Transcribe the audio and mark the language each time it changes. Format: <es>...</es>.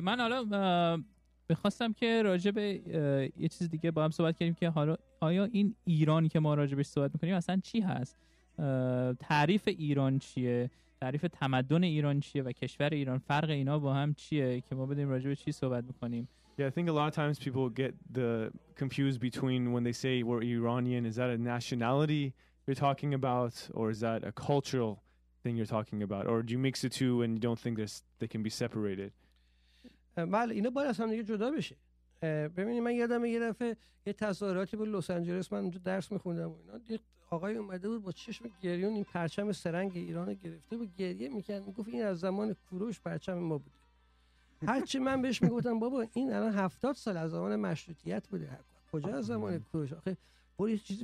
<fa>من حالا می‌خواستم که راجع به یه چیز دیگه با هم صحبت کنیم که حالا آیا این ایران که ما راجعش صحبت می‌کنیم اصلا چی هست؟ تعریف ایران چیه؟ تعریف تمدن ایران چیه و کشور ایران، فرق اینا با هم چیه که ما بدیم راجع به چی صحبت میکنیم؟</fa> <en>Yeah, I think a lot of times people get the confused between when they say we're Iranian, is that a nationality you're talking about or is that a cultural thing you're talking about, or do you mix the two and you don't think they can be separated?</en> <fa>بله، اینا باید از هم دیگه جدا بشه. ببینید، من یادم یه دفعه یه تظاهراتی بود لس آنجلس، من اونجا درس میخوندم و اینا، آقای اومده بود با چشم گریون این پرچم سرنگ ایران گرفته بود، گریه میکرد، میگفت این از زمان کوروش پرچم ما بوده. هرچی من بهش میگفتم بابا این الان 70 سال از زمان مشروطیت بوده، کجا از زمان کوروش؟ آخه برید چیزی</fa>